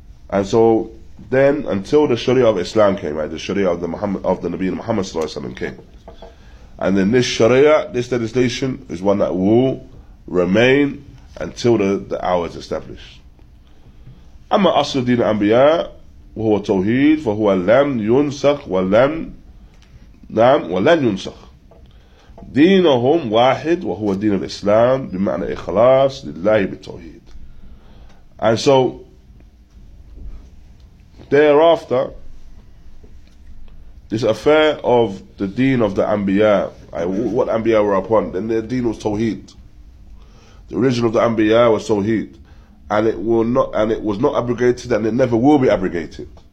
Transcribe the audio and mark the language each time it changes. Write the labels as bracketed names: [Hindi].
[English] And so then until the sharia of Islam came, right, the sharia of the Nabi Muhammad Sallallahu Alaihi Wasallam came. And then this sharia, this legislation, is one that will remain until the hour is established. [Arabic] Amma asluddin al-anbiya وهو توحيد فهو لم ينسخ ولم نعم ولن ينسخ دينهم واحد وهو دين الإسلام بمعنى إخلاص لله بالتوحيد. [English] And so thereafter, this affair of the deen of the Anbiya, what Anbiya were upon, then their deen was Tawheed. The religion of the Anbiya was Tawheed. And it was not abrogated, and it never will be abrogated.